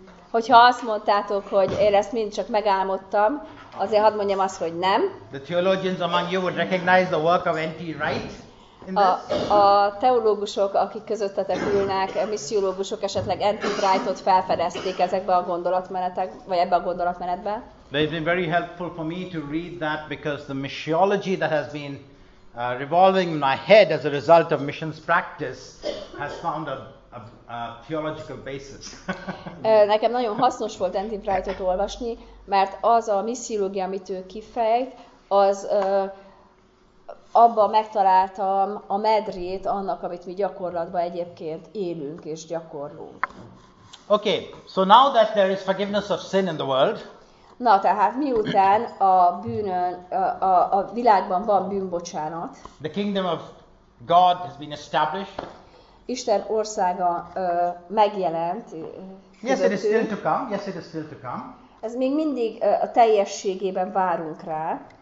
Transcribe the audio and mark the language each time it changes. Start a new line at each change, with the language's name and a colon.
Hungarian: Hogyha azt mondtátok, hogy én ezt mind csak megálmodtam, azért hadd mondjam azt, hogy nem.
English: The theologians among you would recognize the work of N.T. Wright.
Hungarian: A teológusok, akik közöttetek ülnek, a missziológusok esetleg N.T. Wright-ot felfedezték ezekbe a gondolatmenetek, vagy ebbe a gondolatmenetbe.
English: They've been very helpful for me to read that because the missiology that has been revolving in my head as a result of missions practice has found a theological basis.
Hungarian: Nekem nagyon hasznos volt N.T. Wright-ot olvasni, mert az a missziológia, amit ő kifejt, az abban megtaláltam a medrét annak, amit mi gyakorlatban egyébként élünk és gyakorlunk.
English: Okay, so now that there is forgiveness of sin in the world.
Hungarian: Na tehát miután a bűnön, a világban van bűnbocsánat.
English: The kingdom of God has been established.
Hungarian: Isten országa megjelent.
English: Yes, it is still to come. Yes, it is still to come.
Hungarian: Ez még mindig a teljességében várunk rá.